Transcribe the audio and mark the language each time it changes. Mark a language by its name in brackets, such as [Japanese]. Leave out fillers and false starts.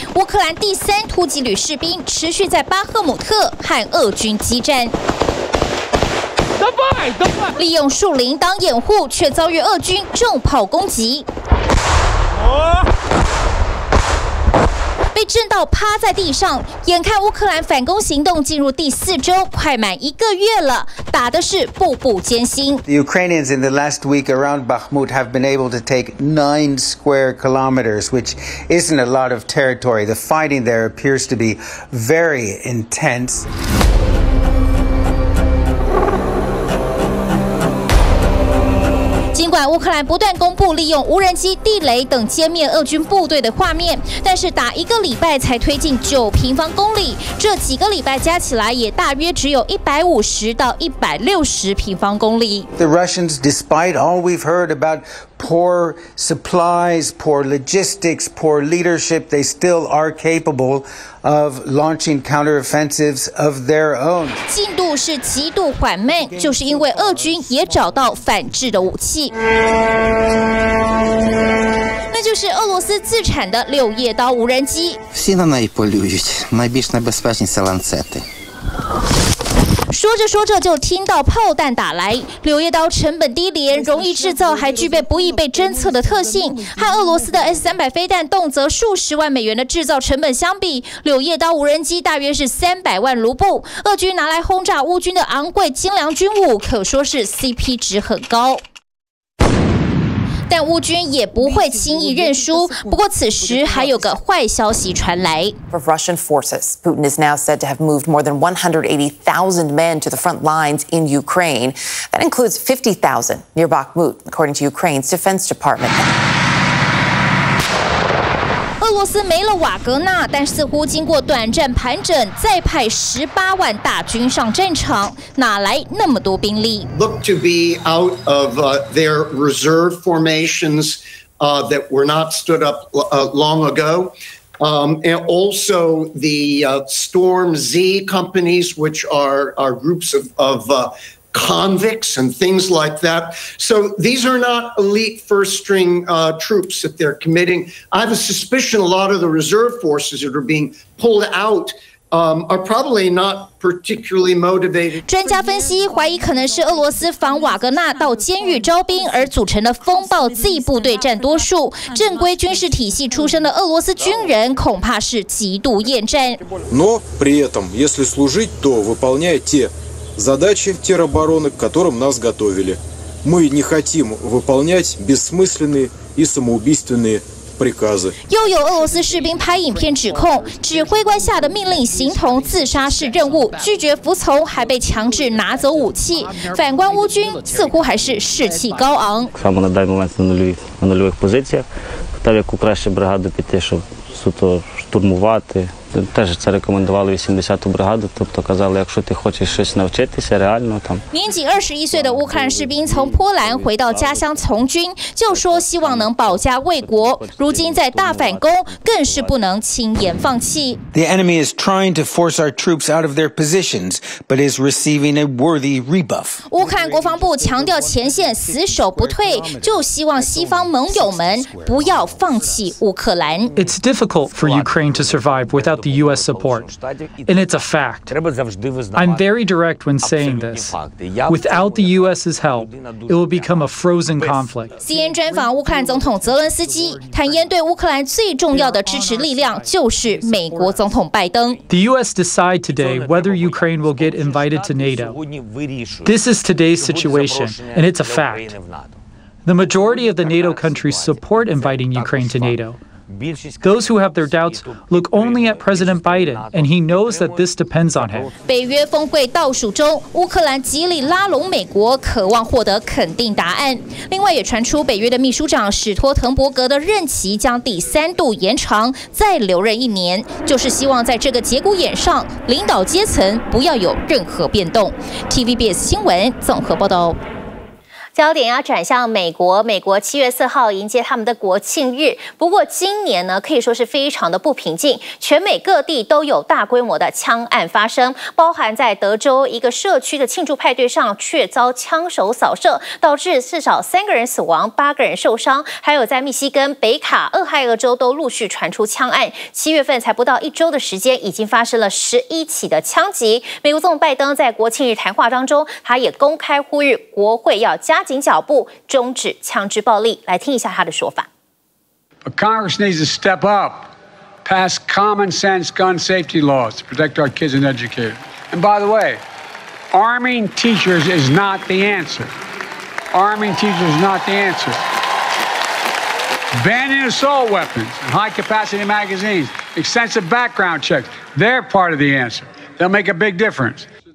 [Chinese] 乌克兰第三突击旅士兵持续在巴赫姆特和俄军激战，利用树林当掩护，却遭遇俄军重炮攻击，被震到趴在地上。眼看乌克兰反攻行动进入第四周，快满一个月了，打的是步步艰辛。 [English] The Ukrainians in the last week around Bakhmut have been able to take 9 square kilometers, which isn't a lot of territory. The fighting there appears to be very intense. [Chinese] 尽管乌克兰不断公布利用无人机、地雷等歼灭俄军部队的画面，但是打一个礼拜才推进9平方公里，这几个礼拜加起来也大约只有150到160平方公里。 [English] The Russians, despite all we've heard about poor supplies, poor logistics, poor leadership, they still are capable of launching counteroffensives of their own. [Chinese] 进度是极度缓慢，就是因为俄军也找到反制的武器。就是俄罗斯自产的六叶刀无人机。 [Ukrainian] Всі на неї полюють. Найбільш небезпечні це ланцети. [Chinese] 说着说着就听到炮弹打来。柳叶刀成本低廉，容易制造，还具备不易被侦测的特性。和俄罗斯的 S-300 飞弹动辄数十万美元的制造成本相比，柳叶刀无人机大约是300万卢布。俄军拿来轰炸乌军的昂贵精良军武，可说是 CP 值很高。但乌军也不会轻易认输。不过此时还有个坏消息传来。 [English] Of Russian forces, Putin is now said to have moved more than 180,000 men to the front lines in Ukraine. That includes 50,000 near Bakhmut, according to Ukraine's Defense Department. [Chinese] 俄罗斯没了瓦格纳，但似乎经过短暂盘整，再派180,000大军上战场，哪来那么多兵力 [English] ？Look to be out of their reserve formations that were not stood up long ago. And also the Storm Z companies, which are groups of convicts and things like that. So these are not elite first string troops that they're committing. I have a suspicion a lot of the reserve forces that are being pulled out are probably not particularly motivated. [Chinese] 专家分析，怀疑可能是俄罗斯防瓦格纳到监狱招兵而组成的风暴 Z 部队占多数。正规军事体系出身的俄罗斯军人恐怕是极度厌战。 [Russian] Но при этом, если служить, то выполняя те. Задачи теробороны, к которым нас готовили. Мы не хотим выполнять бессмысленные и самоубийственные приказы. [Chinese] 又有俄罗斯士兵拍影片指控，指挥官下的命令形同自杀式任务，拒绝服从还被强制拿走武器。反观乌军似乎还是士气高昂。 [Ukrainian] Саме на даний момент на нульових позиціях, так як у кращі бригади піти, щоб суто штурмувати. Теж це рекомендували 80-ту бригаду, тобто казали, якщо ти хочеш щось навчитися реально там. [Chinese] 年仅21岁的乌克兰士兵从波兰回到家乡从军，就说希望能保家卫国。如今在大反攻，更是不能轻言放弃。 [English] The enemy is trying to force our troops out of their positions, but is receiving a worthy rebuff. [Chinese] 乌克兰国防部强调前线死守不退，就希望西方盟友们不要放弃乌克兰。 [English] It's difficult for Ukraine to survive without. The U.S. support. And it's a fact. I'm very direct when saying this. Without the U.S.'s help, it will become a frozen conflict. [Chinese] CNN 专访乌克兰总统泽伦斯基，坦言对乌克兰最重要的支持力量就是美国总统拜登。 [English] The U.S. decide today whether Ukraine will get invited to NATO. This is today's situation, and it's a fact. The majority of the NATO countries support inviting Ukraine to NATO. Those who have their doubts look only at President Biden, and he knows that this depends on him. [Chinese] 北约峰会倒数中，乌克兰极力拉拢美国，渴望获得肯定答案。另外，也传出北约的秘书长史托滕伯格的任期将第三度延长，再留任一年，就是希望在这个节骨眼上，领导阶层不要有任何变动。 TVBS 新闻综合报道。焦点要转向美国，美国7月4号迎接他们的国庆日。不过今年呢，可以说是非常的不平静，全美各地都有大规模的枪案发生，包含在德州一个社区的庆祝派对上，却遭枪手扫射，导致至少3个人死亡，8个人受伤。还有在密西根、北卡、俄亥俄州都陆续传出枪案。 7月份才不到一周的时间，已经发生了11起的枪击。美国总统拜登在国庆日谈话当中，他也公开呼吁国会要加紧脚步，终止枪支暴力。来听一下他的说法。 [English] But Congress needs to step up, pass common sense gun safety laws to protect our kids and educators. And by the way, arming teachers is not the answer. Arming teachers is not the answer. Banning assault weapons and high capacity magazines, extensive background checks, they're part of the answer. They'll make a big difference.